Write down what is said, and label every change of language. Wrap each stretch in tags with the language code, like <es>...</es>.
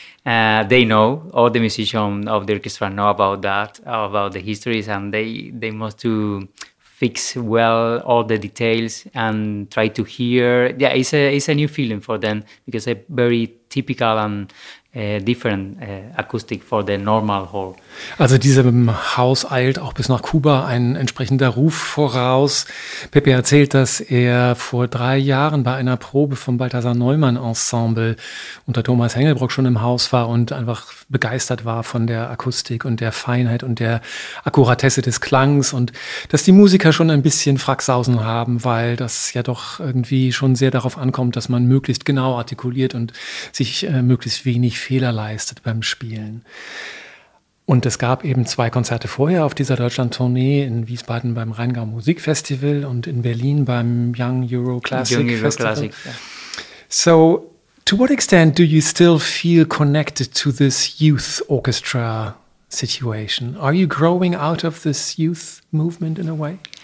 <en>They know, all the musicians of the orchestra know about that, about the histories, and they must to fix well all the details and try to hear. Yeah, it's a new feeling for them because it's very typical and different Akustik for the normal hall.</en> <de>Also diesem Haus eilt auch bis nach Kuba ein entsprechender Ruf voraus. Pepe erzählt, dass er vor 3 Jahren bei einer Probe vom Balthasar Neumann Ensemble unter Thomas Hengelbrock schon im Haus war und einfach begeistert war von der Akustik und der Feinheit und der Akkuratesse des Klangs und dass die Musiker schon ein bisschen Fracksausen haben, weil das ja doch irgendwie schon sehr darauf ankommt, dass man möglichst genau artikuliert und sich möglichst wenig nicht Fehler leistet beim Spielen. Und es gab eben 2 Konzerte vorher auf dieser Deutschland-Tournee in Wiesbaden beim Rheingau Musikfestival und in Berlin beim Young Euro Classic Young Euro Festival.</de> <en>Classic, yeah. So, to what extent do you still feel connected to this youth orchestra situation? Are you growing out of this youth movement in a way?</en>